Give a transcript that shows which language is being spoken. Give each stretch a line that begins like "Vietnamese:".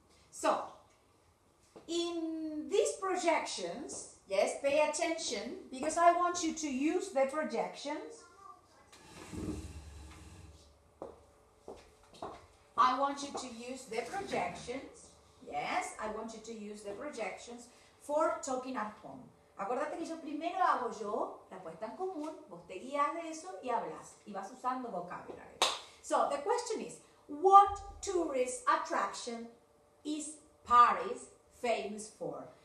English: So, in these projections, yes, pay attention, because I want you to use the projections. I want you to use the projections, yes, I want you to use the projections for talking at home.
Spanish: Acuérdate que yo primero hago yo la puesta en común, vos te guías de eso y hablas, y vas usando vocabulary.
English: So, the question is, what tourist attraction is Paris famous for?